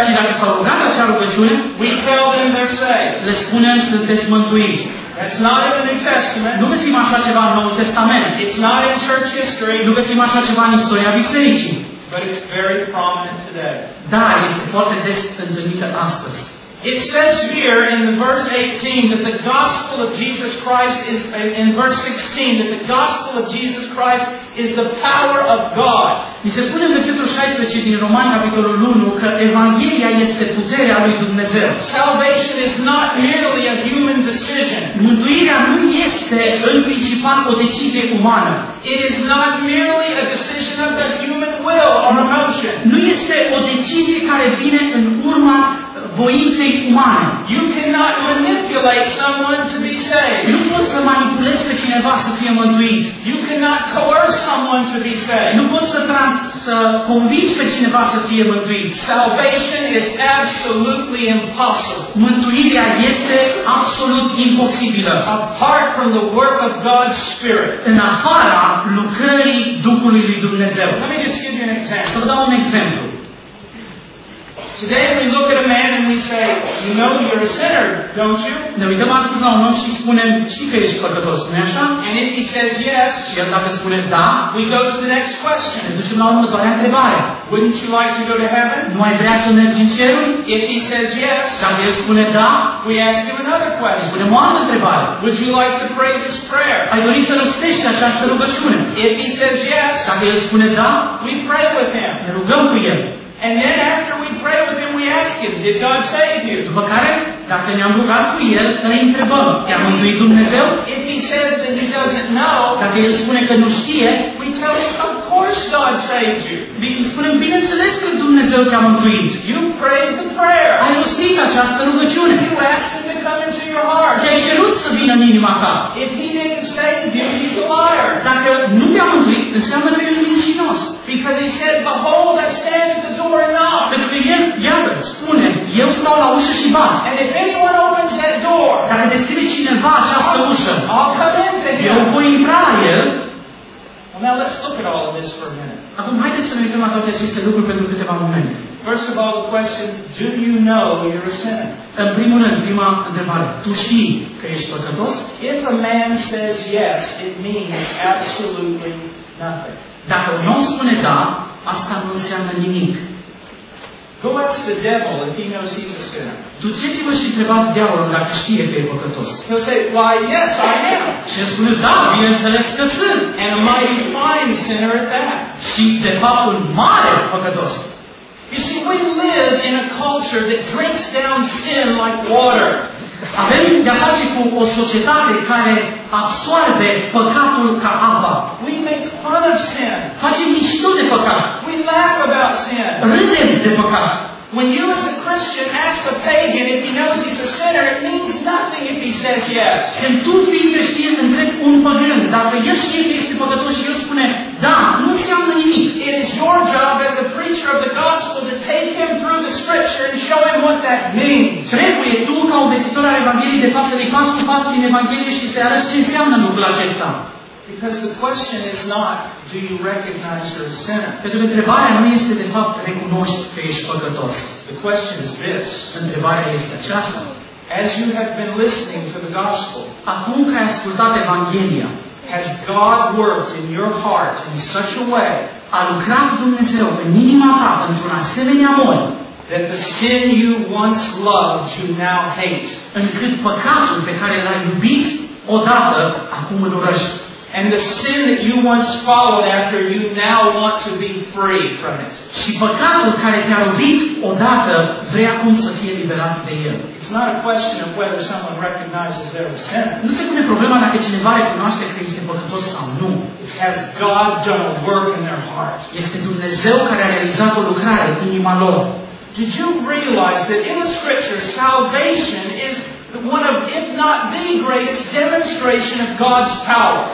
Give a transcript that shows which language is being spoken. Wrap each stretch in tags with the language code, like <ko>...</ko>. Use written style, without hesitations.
<ro>și dacă s-au rugat acea rugăciune,</ro> <en>we tell them they're saved.</en> <ro>Le spunem sunteți mântuiți.</ro> <en>It's not in the New Testament.</en> <ro>Nu găsim așa ceva în Noul Testament.</ro> <en>It's not in church history.</en> <ro>Nu găsim așa ceva în istoria bisericii.</ro> <en>But it's very prominent today.</en> <ro>Da, este foarte des întâlnită astăzi.</ro> <en>It says here in the verse 18 that the gospel of Jesus Christ is in verse 16 that the gospel of Jesus Christ is the power of God.</en> <ro>Mi se spune în versetul 16 din Romani capitolul 1 că evanghelia este puterea lui Dumnezeu.</ro> <en>Salvation is not merely a human decision.</en> <ro>Mântuirea nu este în principal o decizie umană.</ro> <en>It is not merely a decision of the human will or emotion.</en> <ro>Nu este o decizie care vine în urma voinței umane.</ro> <en>You cannot manipulate someone to be saved.</en> <ro>Nu poți să manipulezi pe cineva să fie mântuit.</ro> <en>You cannot coerce someone to be saved.</en> <ro>Nu poți să convingi pe cineva să fie mântuit.</ro> <en>Salvation is absolutely impossible.</en> <ro>Mântuirea este absolut imposibilă.</ro> <en>Apart from the work of God's Spirit.</en> <ro>În afara lucrării Duhului lui Dumnezeu.</ro> <en>Let me just give you an example.</en> <ro>Să vă dau un exemplu.</ro> <en>Today we look at a man and we say, you know you're a sinner, don't you?</en> <ro>Ne uităm astăzi la un om și spunem, știi că ești păcătos, nu-i așa?</ro> <en>And if he says yes,</en> <ro>și el dacă spune da,</ro> <en>we go to the next question.</en> <ro>Ne ducem la următoarea întrebare.</ro> <en>Wouldn't you like to go to heaven?</en> <ro>Nu ai vrea să mergi în cer?</ro> <en>If he says yes,</en> <ro>dacă el spune da,</ro> <en>we ask him another question.</en> <ro>Spunem o altă întrebare.</ro> <en>Would you like to pray this prayer?</en> <ro>Ai dori să rostești această rugăciune?</ro> <en>If he says yes,</en> <ro>dacă el spune da,</ro> <en>we pray with him.</en> <ro>Ne rugăm cu el.</ro> <en>And then after we pray with him, we ask him, did God save you?</en> <ro>După care, dacă ne-am rugat cu el, să ne întrebăm, te-a mântuit Dumnezeu?</ro> <en>If he says that he doesn't know,</en> <ro>dacă el spune că nu știe,</ro> <en>we tell him, of course God saved you.</en> <ro>Îi spunem, bineînțeles că Dumnezeu te-a mântuit.</ro> <en>You prayed the prayer.</en> <ro>Ai rostit această rugăciune.</ro> <en>You asked him to come into your heart.</en> <ro>Te-ai cerut să vină în inima ta.</ro> <en>If he didn't save you, he's a liar.</en> <ro>Dacă nu te-a mântuit, înseamnă că el e mincinos.</ro> <en>Because he said, behold, I stand at the door.</en> <ro>Pentru că el, iată, spune, eu stau la ușă și bat.</ro> <en>And if anyone opens that door,</en> <ro>dacă deschide cineva această ușă,</ro> <en>I'll come in, said</en> <ro>eu voi intra la el.</ro> <en>Well, now let's look at all of this for a minute.</en> <ro>Acum haideți să ne uităm la toate aceste lucruri pentru câteva momente.</ro> <en>First of all, the question, do you know you're a sinner?</en> <ro>În primul rând, prima întrebare, tu știi că ești păcătos?</ro> <en>If a man says yes, it means absolutely nothing.</en> <ro>Dacă un om spune da, asta nu înseamnă nimic.</ro> <en>Who wants the devil if he knows he's a sinner?</en> <ro>Duceți-vă și întrebați diavolul dacă știe că e păcătos.</ro> <en>He'll say, why, yes, I am.</en> <ro>Și el spune, da, bineînțeles că sunt.</ro> <en>And a mighty fine sinner at that.</en> <ro>Și de fapt un mare păcătos.</ro> <en>You see, we live in a culture that drinks down sin like water.</en> <ro>Avem de-a face cu o societate care absorbe păcatul ca apa.</ro> <en>We make fun of sin.</en> <ro>Facem mișto de păcat.</ro> <en>We laugh about sin.</en> <ro>Râdem de păcat.</ro> <en>When you as a Christian ask a pagan if he knows he's a sinner, it means nothing if he says yes.</en> <ro>Când tu fii creștin, întreb un păgân, dacă el știe că este păcătos și el spune, da, nu înseamnă nimic.</ro> <en>It is your job as a preacher of the gospel to take him through the scripture and show him what that means.</en> <ro>Trebuie tu ca un vestitor al Evangheliei de fapt să-i pas cu pas din Evanghelie și să-i arăți ce înseamnă lucrul acesta.</ro> <en>Because the question is not, do you recognize you're a sinner?</en> <ro>Pentru că întrebarea nu este de fapt, recunoști că ești păcătos.</ro> <en>The question is this.</en> <ro>Întrebarea este aceasta.</ro> <en>As you have been listening to the gospel,</en> <ro>acum că ai ascultat Evanghelia,</ro> <en>has God worked in your heart in such a way,</en> <ro>a lucrat Dumnezeu în inima ta într-un asemenea mod,</ro> <en>that the sin you once loved, you now hate,</en> <ro>încât păcatul pe care l-ai iubit odată, acum îl urăști?</ro> <en>And the sin that you once followed after, you now want to be free from it.</en> <ro>Și păcatul care te-a lovit odată, vrei acum să fie liberat de el.</ro> <en>It's not a question of whether someone recognizes they're a sinner.</en> <ro>Nu se pune problema dacă cineva recunoaște că este păcătos sau nu.</ro> <en>It has God done a work in their heart.</en> <ro>Este Dumnezeu care a realizat o lucrare în inima lor.</ro> <en>Did you realize that in the scripture salvation is one of, if not the greatest demonstration of God's power?</en>